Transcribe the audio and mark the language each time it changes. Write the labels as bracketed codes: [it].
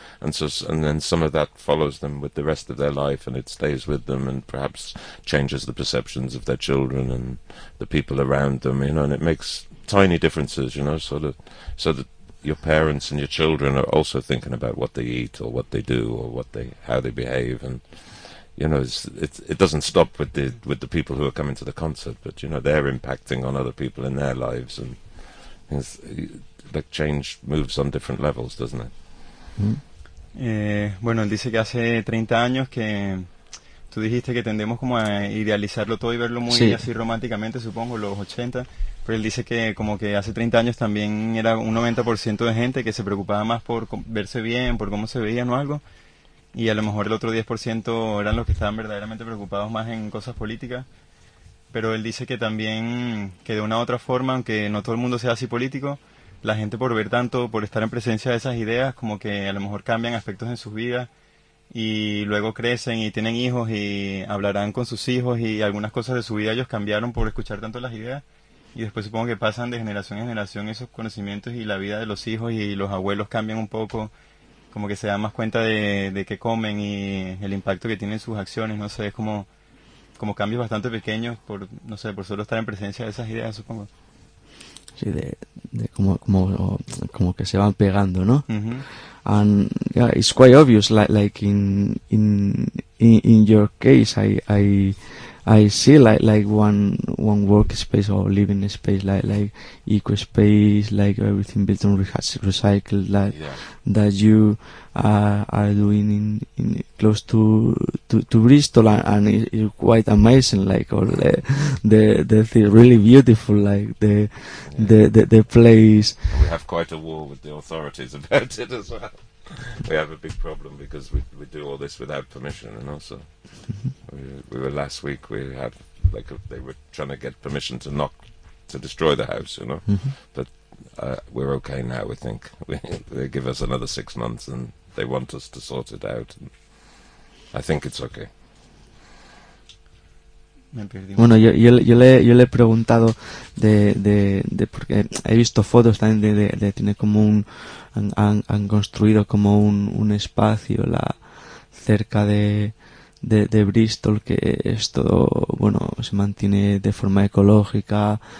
[en] And then some of that follows them with the rest of their life, and it stays with them and perhaps changes the perceptions of their children and the people around them, you know, and it makes tiny differences, you know, so that your parents and your children are also thinking about what they eat or what they do or how they behave, and you know, it doesn't stop with the people who are coming to the concert, but you know, they're impacting on other people in their lives, and things like change moves on different levels, doesn't it? [es] Bueno, él dice que hace 30 años que tú dijiste que tendemos como a idealizarlo todo y verlo muy así románticamente, supongo, los 80. Pero él dice que como que hace 30 años también era un 90% de gente que se preocupaba más por verse bien, por cómo se veían o algo. Y a lo mejor el otro 10% eran los que estaban verdaderamente preocupados más en cosas políticas. Pero él dice que también, que de una u otra forma, aunque no todo el mundo sea así político, la gente por ver tanto, por estar en presencia de esas ideas, como que a lo mejor cambian aspectos en sus vidas y luego crecen y tienen hijos y hablarán con sus hijos y algunas cosas de su vida ellos cambiaron por escuchar tanto las ideas. Y después supongo que pasan de generación en generación esos conocimientos y la vida de los hijos y los abuelos cambian un poco, como que se dan más cuenta de qué comen y el impacto que tienen sus acciones, no sé, es como, como cambios bastante pequeños por, no sé, por solo estar en presencia de esas ideas, supongo. Sí, de como que se van pegando, ¿no? Uh-huh. [en] And yeah, it's quite obvious, like in your case, I see like one workspace or living space, like eco space, like everything built on recycled, that yeah. that you are doing in close to Bristol, and it's quite amazing, like all the really beautiful, like the place. We have quite a war with the authorities about it as well. We have a big problem because we do all this without permission, and also they were trying to get permission to knock, to destroy the house, you know, mm-hmm. but we're okay now, we think. They give us another 6 months and they want us to sort it out, and I think it's okay. [es] Bueno, yo le he preguntado de porque he visto fotos también de tiene como un han construido como un espacio la cerca de Bristol, que es todo, bueno, se mantiene de forma ecológica.